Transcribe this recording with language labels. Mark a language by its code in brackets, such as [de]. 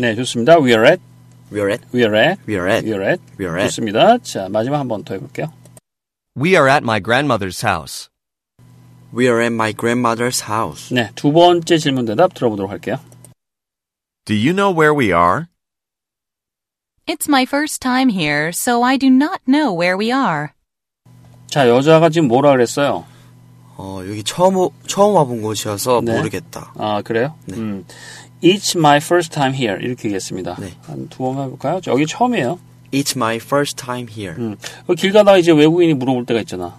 [ko] 네, 좋습니다. [en] We are at. We are at. We are at. We are at. We are at. We are at. [ko] 좋습니다. 자, 마지막 한번 더 해볼게요. [en] We are at my grandmother's house. We are at my grandmother's house. [ko] 네, 두 번째 질문 대답 들어보도록 할게요. [en] Do you know where we are? It's my first time here, so I do not know where we are. [ko] 자, 여자가 지금 뭐라 그랬어요? 여기 처음 와본 곳이어서 네. 모르겠다. 아, 그래요? 네. [en] It's my first time here. [ko] 이렇게 얘기했습니다. 네. 한 두 번 해볼까요? 여기 처음이에요. [en] It's my first time here. [ko] 길 가다가 이제 외국인이 물어볼 때가 있잖아.